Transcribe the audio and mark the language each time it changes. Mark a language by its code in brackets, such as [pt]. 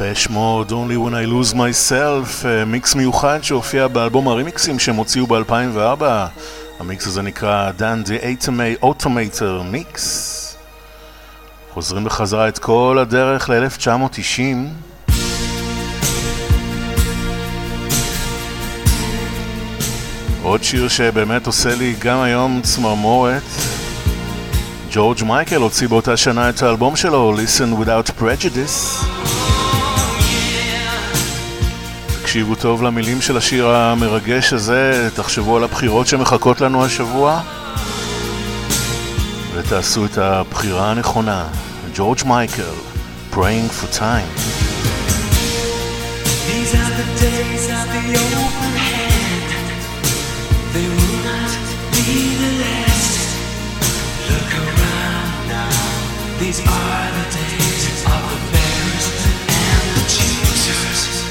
[he] Mode, Only When I Lose Myself, מיקס מיוחד שהופיע באלבום הרימיקסים שהם הוציאו ב-2004. המיקס הזה נקרא Dan the Atomy Automator Mix. חוזרים בחזרה את כל הדרך ל-1990. עוד שיר שבאמת עושה לי גם היום צמרמורת. ג'ורג' מייקל הוציא באותה שנה את האלבום שלו Listen Without Prejudice. תקשיבו טוב למילים של השיר המרגש הזה, תחשבו על הבחירות שמחכות לנו השבוע ותעשו את הבחירה הנכונה. [en] George Michael, Praying for Time. These are the days of the open hand. They will not be the last. Look around now. These are the days of the bears and the choosers.